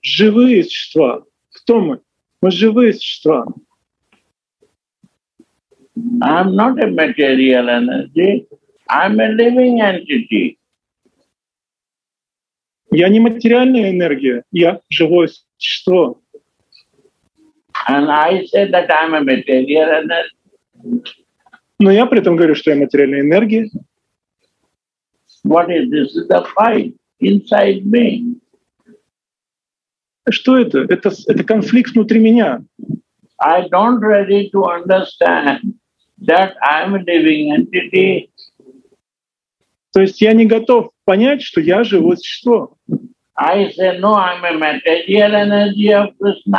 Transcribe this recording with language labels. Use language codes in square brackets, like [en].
[ru] Живые существа. Кто мы? Мы живые существа. [en] I'm not a material energy. I'm a living entity. [ru] Я не материальная энергия. Я живое существо. [en] And I say that I'm a material energy. [ru] Но я при этом говорю, что я материальная энергия. [en] What is this? This is the fight inside me. [ru] Что это? Это конфликт внутри меня. [en] I don't ready to understand that I'm a living entity. [ru] То есть я не готов понять, что я живое существо. [en] I say, no, I'm a material energy of Krishna.